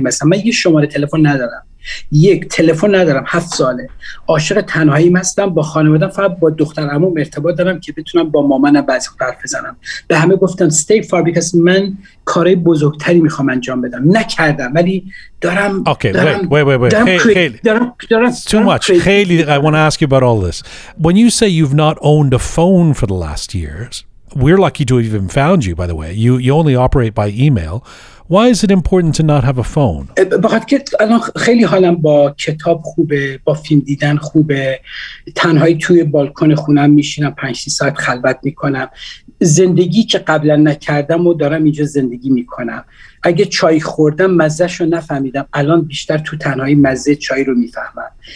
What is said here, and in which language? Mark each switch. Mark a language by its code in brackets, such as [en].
[fa] مثلا من یه شماره تلفن ندارم، یک تلفن ندارم 7 ساله، عاشق تنهایی هستم. با خانواده‌ام فقط با دخترعموم ارتباط دارم که بتونم با مامانم بعضی وقت حرف بزنم. به همه گفتم [en] stay far because [fa] من کارهای بزرگتری میخوام انجام بدم، نکردم ولی دارم. [en] Okay, wait. Too much. [fa] خیلی [en] I want to ask you about all this. When you say you've not owned a phone for the last years, we're lucky to have even found you, by the way. You only operate by email. Why is it important to not have a phone? [fa] خیلی حالم با کتاب خوبه، با فیلم دیدن خوبه. تنهایی توی بالکن خونم میشینم 5-6 ساعت خلوت میکنم. زندگی که قبلا نکردم و دارم اینجا زندگی میکنم. اگه چای خوردم مزهشو نفهمیدم، الان بیشتر تو تنهایی مزه چای رو میفهمم.